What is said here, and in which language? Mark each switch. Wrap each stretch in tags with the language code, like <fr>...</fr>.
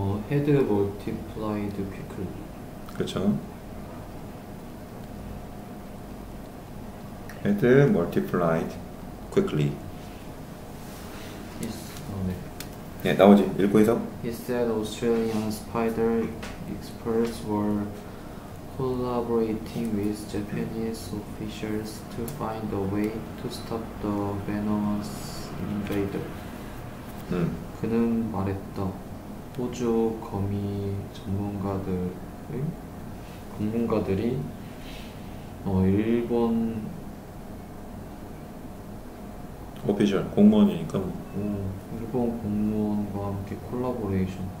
<en>헤드 멀티플라이드 퀵클.</en> <ko>그렇죠.</ko> <en>헤드 멀티플라이드 퀵클리.</en> <ko>네. 네, 나머지 읽고 해서.</ko> <en>He said Australian spider experts were collaborating with Japanese officials to find a way to stop the venomous invader.</en> <ko>그는 말했다. 호주 거미 전문가들이 일본 오피셜 공무원이니까 일본 공무원과 함께 콜라보레이션</ko>